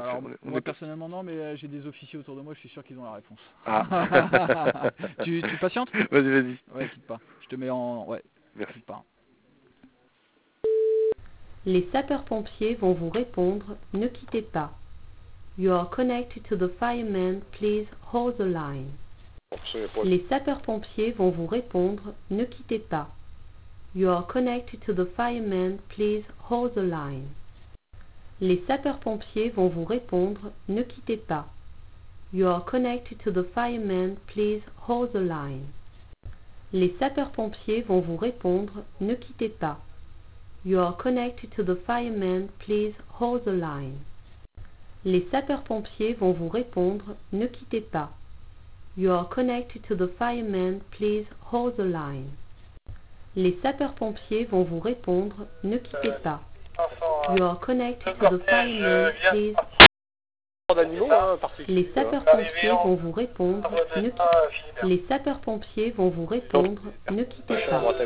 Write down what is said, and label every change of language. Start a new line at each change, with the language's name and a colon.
French: Alors, de faire. Moi, personnellement, non, mais j'ai des officiers autour de moi, je suis sûr qu'ils ont la réponse. Ah. tu patientes? Vas-y, vas-y. Ouais, quitte pas. Je te mets en... Ouais, merci. Quitte pas. Les sapeurs-pompiers vont vous répondre, ne quittez pas.
English: You are connected to the firemen, please hold the line.
French: Les sapeurs-pompiers vont vous répondre, ne quittez pas.
English: You are connected to the firemen, please hold the line.
French: Les sapeurs-pompiers vont vous répondre, ne quittez pas.
English: You are connected to the firemen, please hold the line.
French: Les sapeurs-pompiers vont vous répondre, ne quittez pas.
English: You are connected to the firemen, please hold the line.
French: Les sapeurs-pompiers vont vous répondre, ne quittez pas.
English: You are connected to the firemen, please hold the line.
French: Les sapeurs-pompiers vont vous répondre, ne quittez pas.
English: You are connected to the firemen, please.
French: Les sapeurs-pompiers vont vous répondre, ne quittez pas. Les sapeurs-pompiers vont vous répondre, ne quittez pas.